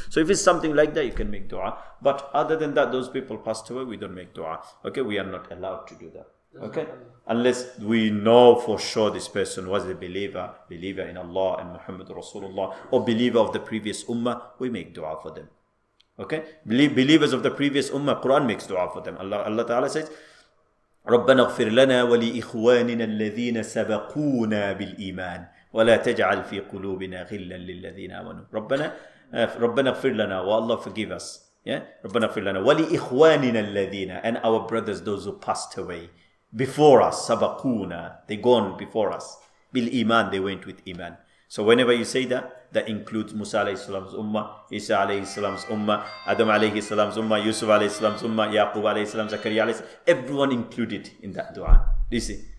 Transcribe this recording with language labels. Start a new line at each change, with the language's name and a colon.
English: So if it's something like that, you can make dua. But other than that, those people passed away, we don't make dua. Okay, we are not allowed to do that. Okay? Unless we know for sure this person was a believer in Allah and Muhammad Rasulullah, or believer of the previous ummah, we make dua for them. Okay, believers of the previous ummah, Quran makes dua for them. Allah Ta'ala says,
Arabic: رَبَّنَا اغْفِرْ لَنَا وَلِإِخْوَانِنَا الَّذِينَ سَبَقُونَا بِالْإِيمَانِ وَلَا تَجْعَلْ فِي قُلُوبِنَا غِلًّا لِلَّذِينَ آمَنُوا. رَبَّنَا اغْفِرْ لَنَا,
English: wa Allah forgive us. Yeah,
Arabic: رَبَّنَا اغْفِرْ لَنَا وَلِإِخْوَانِنَا الَّذِينَ,
English: and our brothers, those who passed away before us,
Arabic: سَبَقُونَا,
English: they gone before us,
Arabic: بِالْإِيمَانِ,
English: they went with iman. So whenever you say that includes Musa alayhi salam's ummah, Isa alayhi salam's ummah, Adam alayhi salam's ummah, Yusuf alayhi salam's ummah, Yaqub alayhi salam, Zakaria alayhi salam, everyone included in that dua. You see?